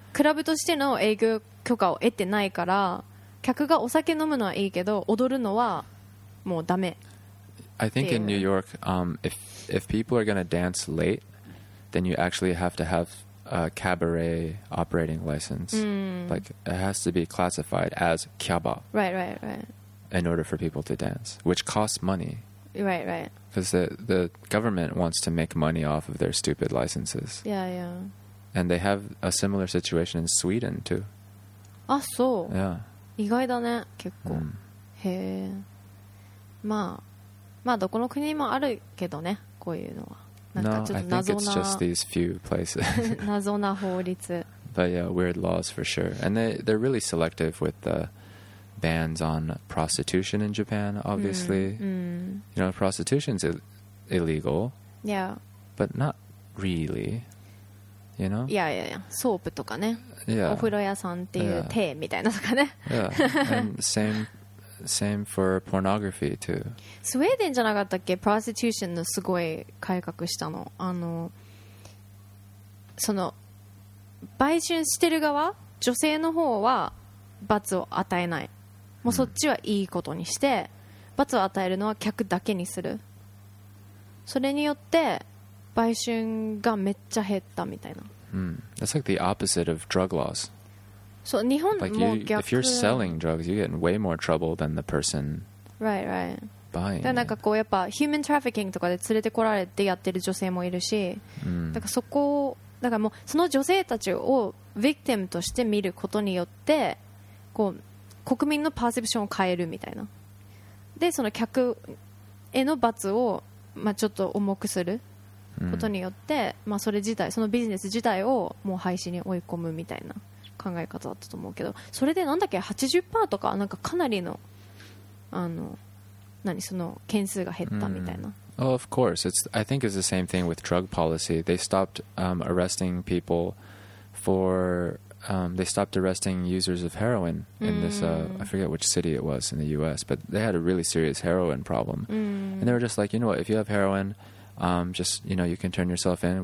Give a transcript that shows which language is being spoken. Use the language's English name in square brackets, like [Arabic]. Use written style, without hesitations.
[Japanese] クラブとしての営業許可を得てないから客がお酒飲むのはいいけど踊るのはもうダメ。 [English] I think in New York, if people are gonna dance late, then you actually have to have a cabaret operating license. Like it has to be classified as kyaba. Right. In order for people to dance, which costs money. Right. Because the government wants to make money off of their stupid licenses. Yeah. And they have a similar situation in Sweden too. [Japanese] あ、そう。 [English] Yeah. [Japanese] 意外だね結構、へえ、まあまあどこの国にもあるけどねこういうのはなんかちょっと謎な [English] No, I think it's just these few places. [Japanese] 謎な法律 [English] But yeah, weird laws for sure. And they're really selective with the bans on prostitution in Japan, obviously. You know, prostitution's illegal. Yeah. But not really. You know? Yeah. Soap [Japanese] とかね [English] Yeah. [Japanese] お風呂屋さんっていう手みたいなとかね [English] Yeah. same for pornography too. [Japanese] スウェーデンじゃなかったっけ prostitution のすごい改革したのあのその売春してる側女性の方は罰を与えない。もうそっちはいいことにして、罰を与えるのは客だけにする。それによって売春がめっちゃ減ったみたいな。 [English] That's like the opposite of drug laws. [Japanese] そう、日本も逆。 [English] If you're selling drugs, you get in way more trouble than the person. Right, right. Buying. [Japanese] だからなんかこうやっぱ human trafficking とかで連れてこられてやってる女性もいるし、だからそこをだからもうその女性たちを victim として見ることによってこう国民のパーセプションを変えるみたいな。でその客への罰をまあちょっと重くすることによって、まあそれ自体そのビジネス自体をもう廃止に追い込むみたいな考え方だったと思うけど、それでなんだっけ 80% とかなんかかなりのあの何その件数が減ったみたいな。 [English] Oh, of course. I think it's the same thing with drug policy. They stopped arresting people for they stopped arresting users of heroin in this I forget which city it was in the U.S. But they had a really serious heroin problem, and they were just like, you know what? If you have heroin, just you know, you can turn yourself in.